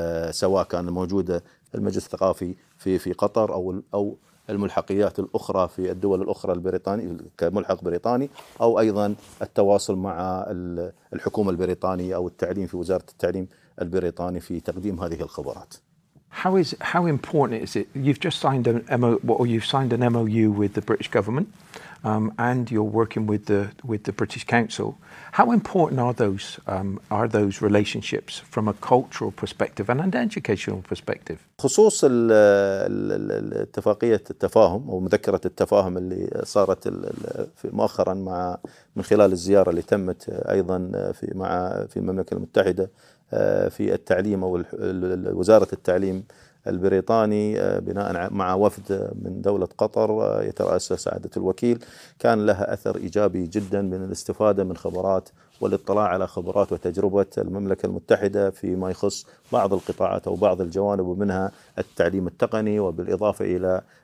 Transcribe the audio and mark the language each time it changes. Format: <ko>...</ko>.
<ar>سواء كان موجودة المجلس الثقافي في قطر او الملحقيات الأخرى في الدول الأخرى البريطانية كملحق بريطاني، أو أيضا التواصل مع الحكومة البريطانية أو التعليم في وزارة التعليم البريطاني في تقديم هذه الخبرات.</ar> <en>How important is it? You've just signed an MOU with the British government, and you're working with the British Council. How important are those relationships from a cultural perspective and an educational perspective?</en> <ar>خصوص الاتفاقية التفاهم أو مذكرة التفاهم اللي صارت مؤخرا مع من خلال الزيارة اللي تمت أيضا في المملكة المتحدة في التعليم أو وزارة التعليم البريطاني بناء مع وفد من دولة قطر يترأسه سعادة الوكيل، كان لها أثر إيجابي جدا من الاستفادة من خبرات والاطلاع على خبرات وتجربة المملكة المتحدة فيما يخص بعض القطاعات أو بعض الجوانب، ومنها التعليم التقني وبالإضافة إلى</ar>